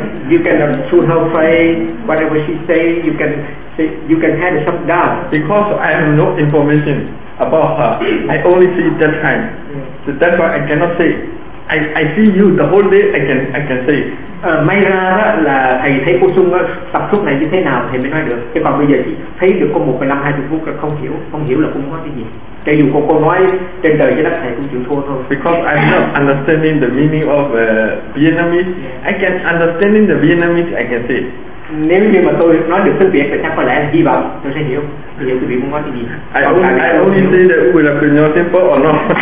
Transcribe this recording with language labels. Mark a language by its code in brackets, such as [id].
[en] you cannot shoot her face, whatever she say, you can have some doubt. Because I have no information about her. I only see it that time. So that's why I cannot say. I see you the whole day, I can say. [vi] May ra đó là thầy thấy cô Sung tập suốt này như thế nào thì mới nói được. Chứ còn bây giờ chỉ thấy được có 1-20 phút là không hiểu là cũng có cái gì. Cho dù cô nói trên đời trên đất thầy cũng chịu thua thôi. [en] Because I'm not understanding the meaning of Vietnamese, yeah. I can understanding the Vietnamese, I can say. [vi] Nếu như mà tôi nói được tiếng Việt thì chắc có lẽ hy vọng tôi sẽ hiểu. Bây giờ tôi bị muốn nói cái gì? [en] I only say that we have to know simple or not.